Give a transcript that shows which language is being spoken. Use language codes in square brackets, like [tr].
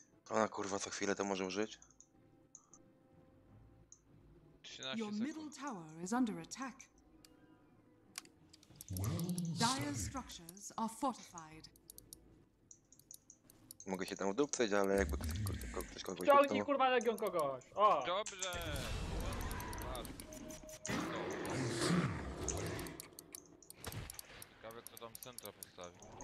[pl] Ona kurwa co chwilę to może użyć? [en] Your middle tower is under attack. Dire structures are fortified. [pl] Mogę się tam udupcyć, ale jakby ktoś kogoś... Ściągnij kurwa legion kogoś! O! Dobrze! Ciekawe kto tam centra postawi.